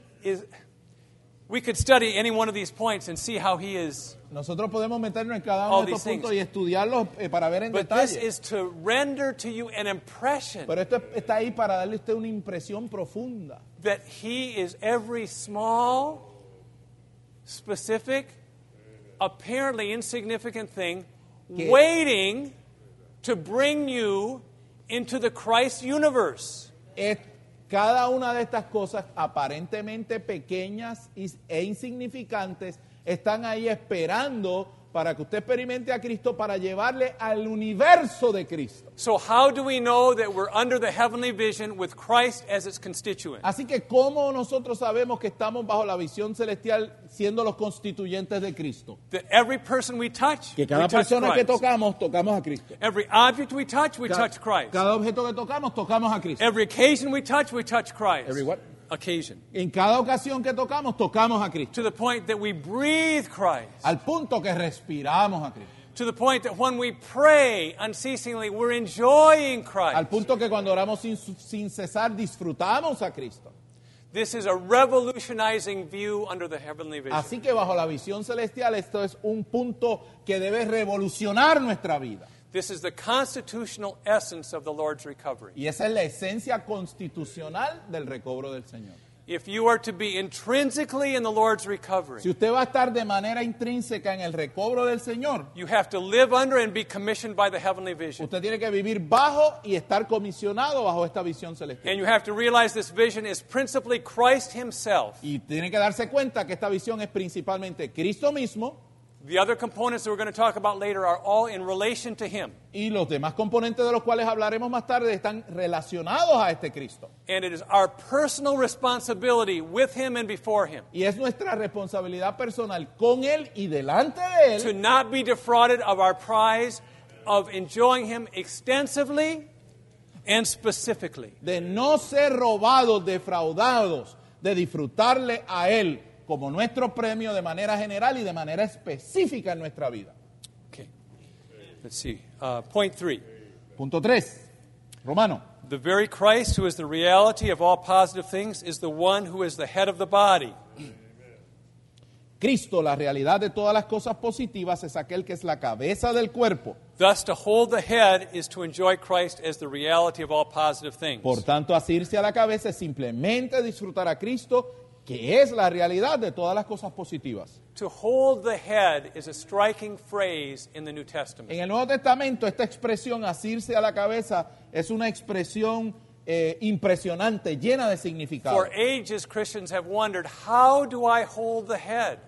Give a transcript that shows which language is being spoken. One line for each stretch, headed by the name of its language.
English: is, we could study any one of these points and see how he is.
Spanish: Nosotros podemos meternos en cada uno de estos puntos y estudiarlos para ver en
English: But
Spanish: detalle.
English: This is to render to you an impression.
Spanish: Pero esto está ahí para darle a usted una impresión profunda.
English: That he is every small, specific, apparently insignificant thing waiting to bring you into the Christ universe.
Spanish: Cada una de estas cosas aparentemente pequeñas e insignificantes están ahí esperando para que usted experimente a Cristo, para llevarle al universo de Cristo.
English: So how do we know that we're under the heavenly vision with Christ as its constituent?
Spanish: Así que, ¿cómo nosotros sabemos que estamos bajo la visión celestial siendo los constituyentes de Cristo?
English: That every person we touch,
Spanish: que cada
English: we
Spanish: persona
English: touch Christ.
Spanish: Que tocamos, tocamos a Cristo.
English: Every object we touch, we touch Christ.
Spanish: Cada objeto que tocamos, tocamos a Cristo.
English: Every occasion we touch Christ. Every what? Occasion.
Spanish: En cada ocasión que tocamos, tocamos a Cristo.
English: To the point that we breathe Christ.
Spanish: Al punto que respiramos a Cristo.
English: To the point that when we pray unceasingly, we're enjoying Christ.
Spanish: Al punto que cuando oramos sin cesar, disfrutamos a Cristo.
English: This is a revolutionizing view under the heavenly vision.
Spanish: Así que bajo la visión celestial, esto es un punto que debe revolucionar nuestra vida.
English: This is the constitutional essence of the Lord's recovery.
Spanish: Y esa es la esencia constitucional del recobro del Señor.
English: If you are to be intrinsically in the Lord's recovery,
Spanish: si usted va a estar de manera intrínseca en el recobro del Señor,
English: you have to live under and be commissioned by the heavenly vision.
Spanish: Usted tiene que vivir bajo y estar comisionado bajo esta visión celestial.
English: And you have to realize this vision is principally Christ himself.
Spanish: Y tiene que darse cuenta que esta visión es principalmente Cristo mismo.
English: The other components that we're going to talk about later are all in relation to him.
Spanish: Y los demás componentes de los cuales hablaremos más tarde están relacionados a este Cristo.
English: And it is our personal responsibility with him and before him.
Spanish: Y es nuestra responsabilidad personal con él y delante de él.
English: To not be defrauded of our prize of enjoying him extensively and specifically.
Spanish: De no ser robados, defraudados, de disfrutarle a él como nuestro premio de manera general y de manera específica en nuestra vida.
English: Okay. Let's see. Point three.
Spanish: Punto tres. Romano.
English: The very Christ who is the reality of all positive things is the one who is the head of the body.
Spanish: Cristo, la realidad de todas las cosas positivas, es aquel que es la cabeza del cuerpo.
English: Thus, to hold the head is to enjoy Christ as the reality of all positive things.
Spanish: Por tanto, asirse a la cabeza es simplemente disfrutar a Cristo, que es la realidad de todas las cosas positivas.
English: To hold the head is a striking phrase in the New Testament.
Spanish: En el Nuevo Testamento, esta expresión, asirse a la cabeza, es una expresión impresionante, llena de significado.
English: For ages, Christians have wondered, how do I hold the head?